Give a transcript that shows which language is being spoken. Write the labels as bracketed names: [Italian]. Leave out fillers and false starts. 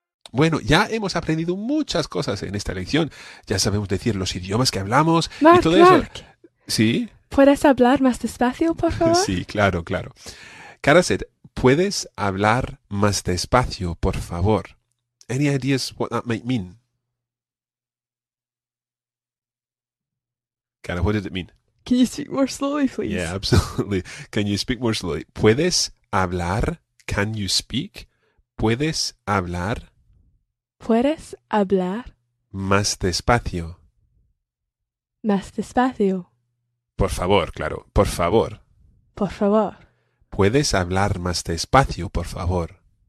[Spanish] Bueno, ya hemos aprendido muchas cosas en esta lección. Ya sabemos decir los idiomas que hablamos, Mark, y todo Mark. Eso. ¿Sí? ¿Puedes hablar más despacio, por favor? Sí, claro, claro. Karaset, ¿puedes hablar más despacio, por favor? [English] Any ideas what that might mean? Kara, what did it mean? Can you speak more slowly, please? Yeah, absolutely. Can you speak more slowly? [Spanish] ¿Puedes hablar? [English] Can you speak? [Spanish] ¿Puedes hablar? ¿Puedes hablar? Más despacio. Más despacio. Por favor, claro. Por favor. Por favor. ¿Puedes hablar más despacio, por favor?